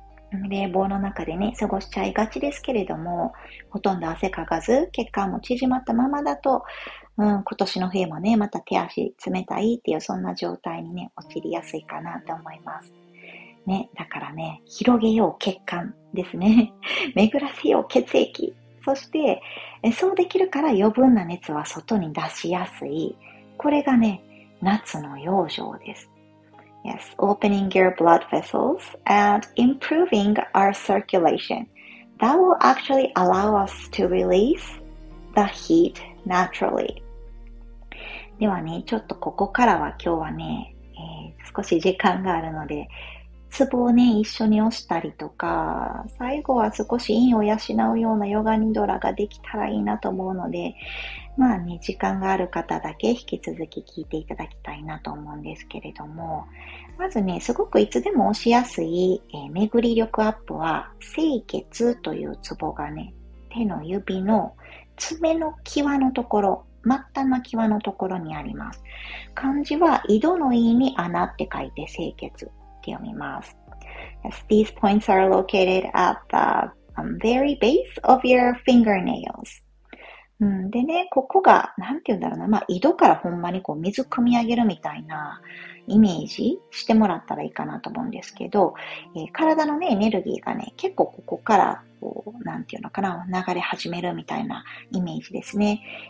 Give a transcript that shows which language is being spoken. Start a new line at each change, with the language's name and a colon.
Japanese: 冷房の中でね、過ごしちゃいがちですけれども、ほとんど汗かかず、血管も縮まったままだと、今年の冬もね、また手足冷たいっていう、そんな状態にね、陥りやすいかなと思います。ね、だからね、広げよう血管ですね。巡らせよう血液。そして、そうできるから余分な熱は外に出しやすい。これがね、夏の養生です。
English: Yes, opening your blood vessels and improving our circulation. That will actually allow us to release the heat naturally.
Japanese: ではね、ちょっとここからは今日はね、少し時間があるので、ツボをね、一緒に押したりとか、最後は少し陰を養うようなヨガニドラができたらいいなと思うので、まあね、時間がある方だけ引き続き聞いていただきたいなと思うんですけれども、まずね、すごくいつでも押しやすい、巡り力アップは、清血というツボがね、手の指の爪の際のところ、末端の際のところにあります。漢字は、井戸の井に穴って書いて清血って読みます。
English: Yes, these points are located at the very base of your fingernails.
Japanese: でね、ここが、なんて言うんだろうな、まあ、井戸からほんまにこう水汲み上げるみたいなイメージしてもらったらいいかなと思うんですけど、体のね、エネルギーがね、結構ここから、こう、なんて言うのかな、流れ始めるみたいなイメージですね。